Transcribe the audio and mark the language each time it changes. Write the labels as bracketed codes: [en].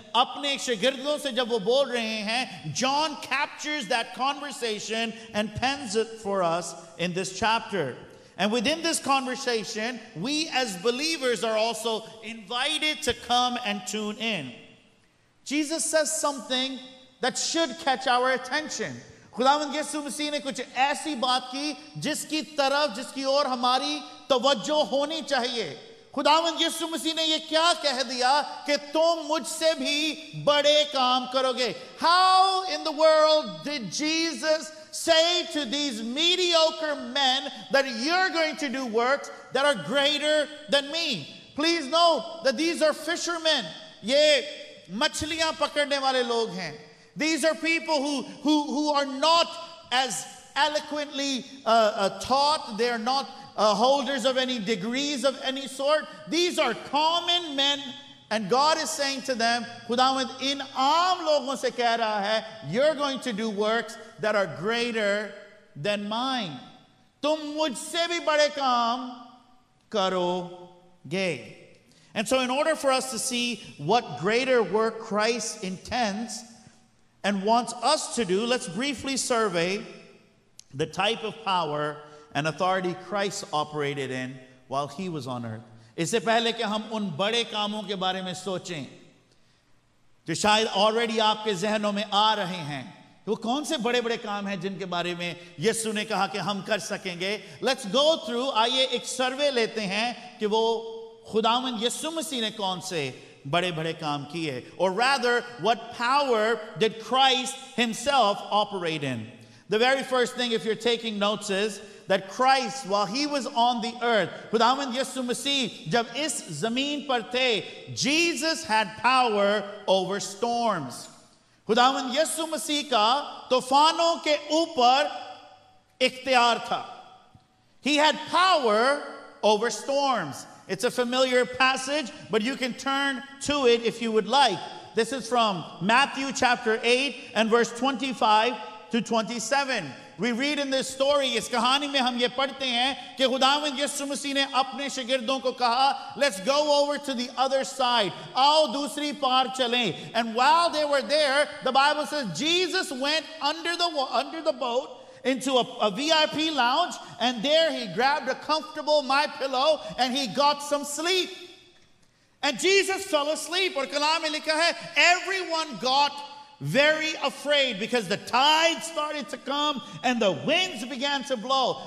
[hi] Apne shagirdon se jab wo bol rahe hain, [en] John captures that conversation and pens it for us in this chapter. And within this conversation, we as believers are also invited to come and tune in. Jesus says something that should catch our attention. [hi] खुदावंद यीशु मसीह ने कुछ ऐसी बात की जिसकी तरफ जिसकी ओर हमारी तवज्जो होनी चाहिए। खुदावंद यीशु मसीह ने ये क्या कह दिया कि तुम मुझसे भी बड़े काम करोगे। [en] How in the world did Jesus say to these mediocre men that you are going to do works that are greater than me. Please note that these are fishermen, [hi] ये मछलियां पकड़ने वाले लोग हैं। [en] These are people who are not as eloquently taught. They are not holders of any degrees of any sort. These are common men, and God is saying to them, [hi] "Khudawand in aam logon se keh raha hai, [en] you're going to do works that are greater than mine. [hi] Tum mujhse bhi bade kaam karoge." [en] And so, in order for us to see what greater work Christ intends and wants us to do, let's briefly survey the type of power and authority Christ operated in while he was on earth. [hi] इससे पहले कि हम उन बड़े कामों के बारे में सोचें जो शायद ऑलरेडी आपके जहनों में आ रहे हैं, वो कौन से बड़े बड़े काम हैं जिनके बारे में यीशु ने कहा कि हम कर सकेंगे, [en] let's go through, [hi] आइए एक सर्वे लेते हैं कि वो खुदावंद यीशु मसीह ने कौन से बड़े बड़े काम किए, [en] or rather, what power did Christ himself operate in? The very first thing, if you're taking notes, is that Christ, while he was on the earth, [hi] खुदावंद यीशु मसीह जब इस जमीन पर थे, [en] Jesus had power over storms. [hi] खुदावंद यीशु मसीह का तूफानों के ऊपर इख्तियार था. [en] He had power over storms. It's a familiar passage, but you can turn to it if you would like. This is from Matthew chapter 8 and verse 25 to 27. We read in this story, [hi] इस कहानी में हम ये पढ़ते हैं कि खुदावंद यीशु मसीह ने अपने शागिर्दों को कहा, [en] "Let's go over to the other side." [hi] आओ दूसरी पार चलें. [en] And while they were there, the Bible says Jesus went under the boat into a VIP lounge, and there he grabbed a comfortable my pillow and he got some sleep. And Jesus fell asleep. [hi] Aur kalam mein likha hai, [en] everyone got very afraid because the tide started to come and the winds began to blow.